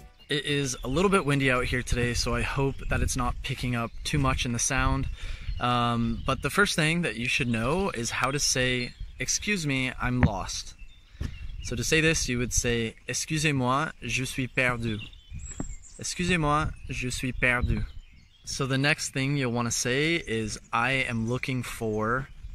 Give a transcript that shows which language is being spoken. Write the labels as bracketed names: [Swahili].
[English] It is a little bit windy out here today, so I hope that it's not picking up too much in the sound. But the first thing that you should know is how to say, excuse me, I'm lost. So to say this, you would say, [French] excusez-moi, je suis perdu. Excusez-moi, je suis perdu. [English] So the next thing you'll want to say is, I am looking for...